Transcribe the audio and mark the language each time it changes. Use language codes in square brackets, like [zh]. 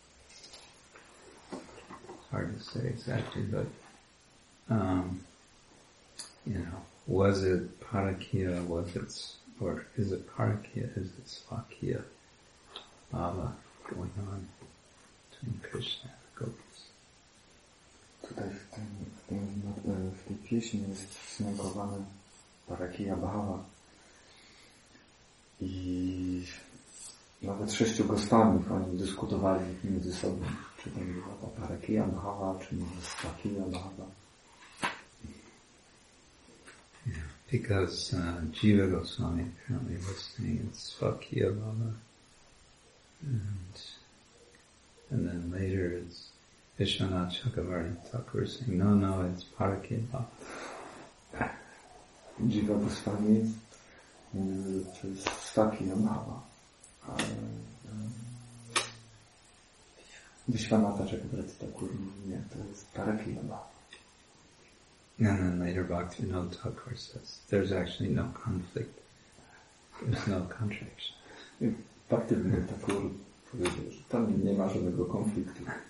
[en] It's hard to say exactly, but, was it Parakya, is it Svakya Bhava going on between Krishna and the Gopis? [pl] Tutaj w tej pieśni jest wznagowany Parakya Bhava i nawet sześciu Goswamów oni dyskutowali między sobą, czy to była ta Parakya Bhava, czy może Svakya Bhava. [en] Yeah, because Jiva Goswami apparently was saying it's Svakya Bhava and then later it's Vishwanath Chakravarti Thakur saying, no, no, it's Parakya Bhava. [pl] Jiva Goswami mówił, że to jest Svakya Bhava. Vishwanath Chakravarti Thakur mówił, nie, to jest Parakya Bhava. [en] And then later Bhaktivinoda Thakur says, there's actually no conflict. There's no contradiction. [pl] Bhaktivinoda Thakur powiedział, że tam nie ma żadnego konfliktu.